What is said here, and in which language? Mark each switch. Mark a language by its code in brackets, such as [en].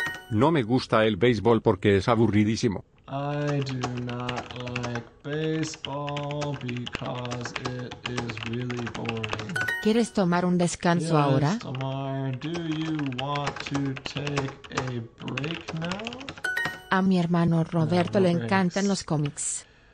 [es] No me gusta el béisbol porque es aburridísimo. [en] I do not like baseball because it is really boring. [es] ¿Quieres tomar un descanso [en] yes, [es] ahora? [en] Tamar, do you want to take a break now? [es] A mi hermano Roberto le encantan los cómics.